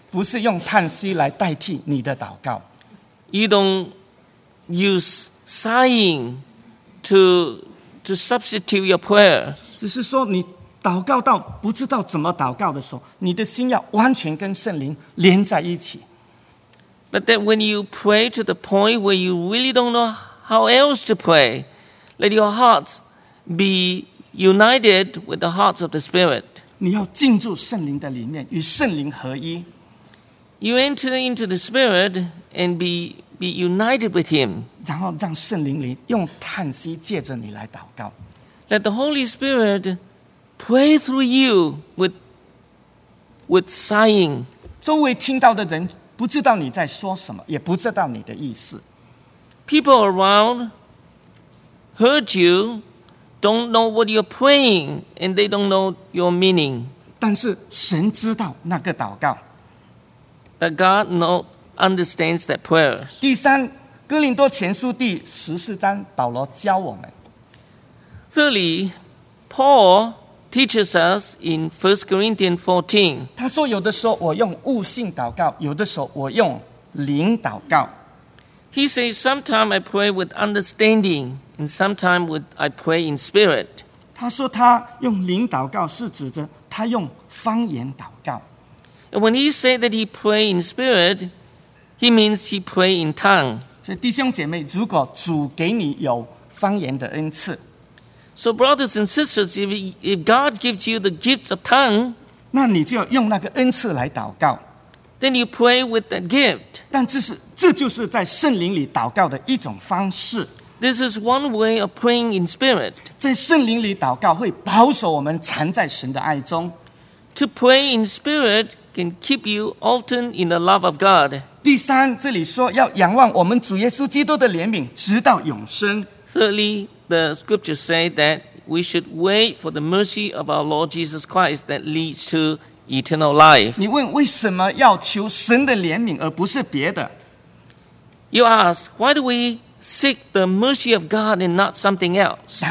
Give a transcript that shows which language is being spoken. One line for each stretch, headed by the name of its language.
Chinese: 不是用叹息来代替你的祷告
English: You don't use sighing to substitute your prayer.
Chinese: 只是说你祷告到不知道怎么祷告的时候，你的心要完全跟圣灵连在一起。
English: But that when you pray to the point where you really don't know how else to pray, let your hearts be united with the hearts of the Spirit.
Chinese: 你要进入圣灵的里面，与圣灵合一。
English: You enter into the Spirit and be united with Him.
Chinese: 然后让圣灵里用叹息借着你来祷告。
English: Let the Holy Spirit pray through you with sighing.
Chinese: 周围听到的人不知道你在说什么，也不知道你的意思。
English: People around heard you, don't know what you're praying, and they don't know your meaning.
Chinese: 但是神知道那个祷告。
English: That God knows, understands that prayer.
Chinese: 第三，哥林多前书第十四章，保罗教我们。这里
English: ，Paul teaches us in 1 Corinthians 14.
Chinese: 他说，有的时候我用悟性祷告，有的时候我用灵祷告。
English: He says, sometimes I pray with understanding, and sometimes I pray in spirit.
Chinese: 他说，他用灵祷告是指着他用方言祷告。
English: And when he said that he pray in spirit, he means he pray in tongue.
Chinese: 所以弟兄姐妹，如果主给你有方言的恩赐。
English: So brothers and sisters, if God gives you the gift of tongue,
Chinese: 那你就用那个恩赐来祷告。
English: Then you pray with that gift.
Chinese: 但这就是在圣灵里祷告的一种方式。
English: This is one way of praying in spirit.
Chinese: 在圣灵里祷告会保守我们缠在神的爱中。
English: To pray in spirit can keep you often in the love of God.
Chinese: 第三，这里说要仰望我们主耶稣基督的怜悯，直到永生。
English: Thirdly, the scriptures say that we should wait for the mercy of our Lord Jesus Christ that leads to eternal life.
Chinese: 你问为什么要求神的怜悯而不是别的？
English: You ask, why do we seek the mercy of God and not something else?